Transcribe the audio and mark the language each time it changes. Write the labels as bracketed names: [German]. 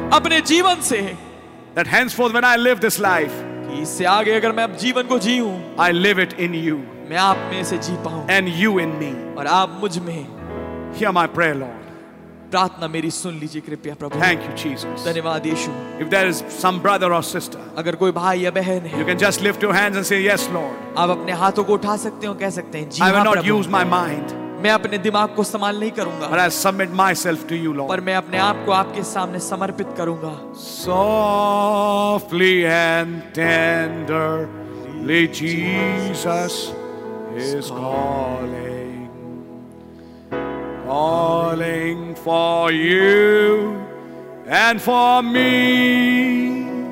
[Hindi] अपने जीवन से [English] That henceforth when I live this life, [Hindi] कि इससे आगे अगर मैं अब जीवन को जीऊं, [English] I live it in you. [Hindi] मैं आप में से जी पाऊं. [English] And you in me. [Hindi] और आप मुझ में. [English] Hear my prayer, Lord. [Hindi] प्रार्थना मेरी सुन लीजिए कृपया प्रभु. [English] Thank you, Jesus. [Hindi] धन्यवाद यीशु. [English] If there is some brother or sister, [Hindi] अगर कोई भाई या बहन है, [English] you can just lift your hands and say yes, Lord. [Hindi] आप अपने हाथों को उठा सकते हो, कह सकते हैं, जी [English] I will not use my mind. [Hindi] मैं अपने दिमाग को इस्तेमाल नहीं करूंगा [English] But I submit myself to you, Lord. [Hindi] पर मैं अपने आप को आपके सामने समर्पित करूंगा [English] Softly and tenderly Jesus is calling Calling for you and for me